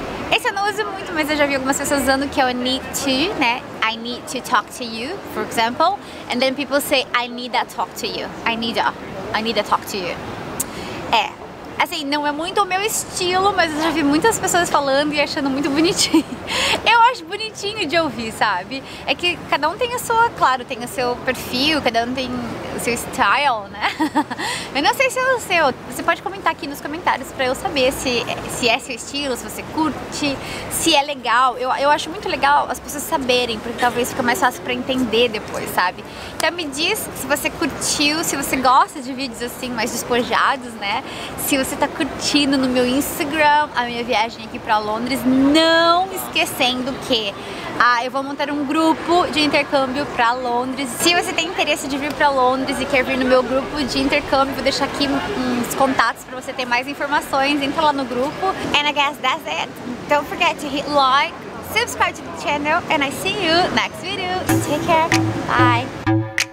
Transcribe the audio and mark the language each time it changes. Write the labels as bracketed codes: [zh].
[pt] Esse eu não uso muito, mas eu já vi algumas pessoas usando, que é o need to, né? [en] I need to talk to you, for example. And then people say, I need a talk to you. I need a talk to you. [pt] É, assim, não é muito o meu estilo, mas eu já vi muitas pessoas falando e achando muito bonitinho. Eu acho bonitinho de ouvir, sabe? É que cada um tem a sua, claro, tem o seu perfil, cada um tem o seu style, né? Eu não sei se é o seu, você pode comentar aqui nos comentários pra eu saber se é seu estilo, se você curte, se é legal. Eu acho muito legal as pessoas saberem, porque talvez fica mais fácil pra entender depois, sabe? Então me diz se você curtiu, se você gosta de vídeos assim mais despojados, né? Se você tá curtindo no meu Instagram a minha viagem aqui pra Londres, não esquecendo que eu vou montar um grupo de intercâmbio pra Londres. Se você tem interesse de vir pra Londres e quer vir no meu grupo de intercâmbio, vou deixar aqui uns contatos pra você ter mais informações. Entra lá no grupo. [en] And I guess that's it. Don't forget to hit like, subscribe to the channel, and I see you next video. Take care. Bye.